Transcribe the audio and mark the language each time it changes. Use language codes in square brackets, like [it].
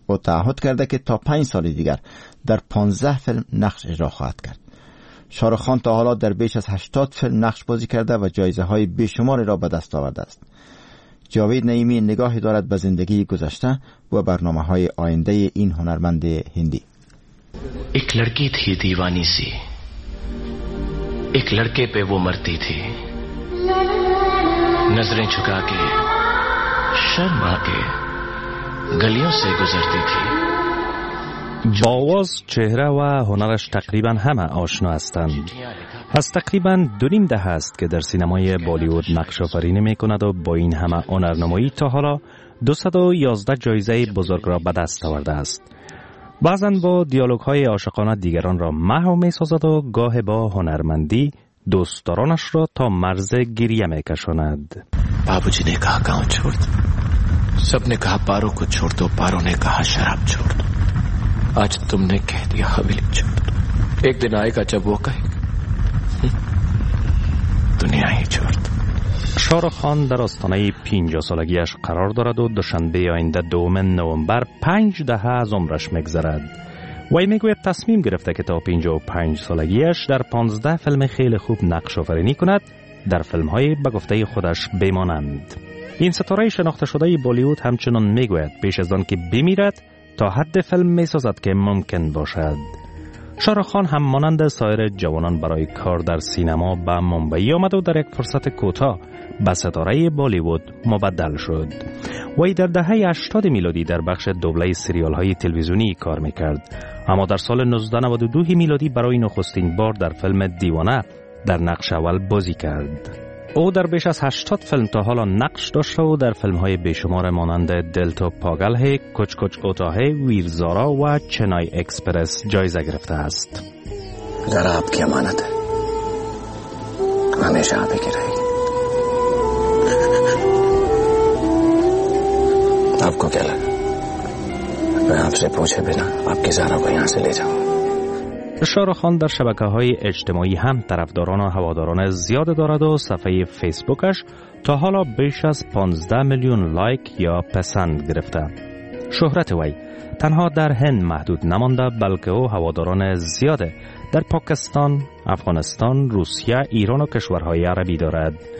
[fa] او تعهد کرده که تا 5 سال دیگر در 15 فیلم نقش اجرا خواهد کرد. شاروخ خان تا حالا در بیش از 80 فیلم نقش بازی کرده و جایزه های بیشماری را به دست آورده است. جاوید نعیمی نگاهی دارد به زندگی گذشته و برنامه های آینده این هنرمند هندی. [ur] ایک لڑکی تھی دیوانی سی، ایک لڑکے پہ وہ مرتی تھی، نظریں جھکا کے شرم آ کے گلیوں سے گزرتی تھی۔ [fa] باواز چهره و هنرش تقریبا همه آشنا هستند. از تقریبا 2.5 دهه است که در سینمای بالیوود نقش آفرینی می کند و با این همه هنرنمایی تا حالا 211 جایزه بزرگ را به دست آورده است. بعضن با دیالوگ های عاشقانه دیگران را محو می سازد و گاه با هنرمندی دوستدارانش را تا مرز گریه می کشاند. [ur] بابو جی نے کہا گاؤں چھوڑ دو، سب نے کہا پارو کو چھوڑ دو، پارو نے کہا شراب چھوڑ دو، آج تم نے کہہ دیا حویلی چھوڑ دو، ایک دن آئے گا جب وہ کہے دنیا ہی چھوڑ دو۔ [fa] شاروخ خان در آستانه 50 سالگیش قرار دارد و دوشنبه آینده 2 نوامبر 5 دهه از عمرش میگذرد. وی میگوید تصمیم گرفته که تا 55 سالگیش در 15 فیلم خیلی خوب نقش آفرینی کند، در فیلم های به گفته خودش بمانند. این ستاره شناخته شده بالیوود همچنان میگوید پیش از آن که بمیرد تا حد فیلم میسازد که ممکن باشد. شاروخ خان هم مانند سایر جوانان برای کار در سینما به ممبئی آمد و در یک فرصت کوتاه به ستاره بالیوود مبدل شد. وی در دهه 80 میلادی در بخش دوبله سریال های تلویزیونی کار میکرد، اما در سال 1992 میلادی برای نخستین بار در فیلم دیوانه در نقش اول بازی کرد. او در بیش از 80 فیلم تا حالا نقش داشته و در فیلم های بیشمار مانند دلتا پاگلهه، کچ کچ اوتاه، ویرزارا و چنای اکسپرس جایزه گرفته است. [ur] ذرا آپ کی امانت ہے، ہمیشہ آپ ہی کی رہے گی، آپ کو کیا لگا میں آپ سے پوچھے بنا آپ کی ذرا کو یہاں سے لے جاؤں؟ [fa] شاروخ خان در شبکه های اجتماعی هم طرفداران و هواداران زیاد دارد و صفحه فیسبوکش تا حالا بیش از 15 میلیون لایک یا پسند گرفته. شهرت وی تنها در هند محدود نمانده، بلکه او هواداران زیاده در پاکستان، افغانستان، روسیه، ایران و کشورهای عربی دارد.